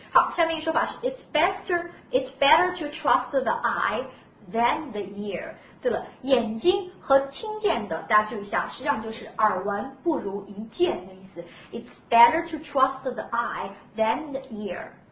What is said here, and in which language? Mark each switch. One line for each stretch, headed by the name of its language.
Chinese: 好，下面一个说法是
English: it's better to trust the eye than the ear。
Chinese: 对了，眼睛和听见的，大家注意一下，实际上就是耳闻不如一见的意思。
English: It's better to trust the eye than the ear.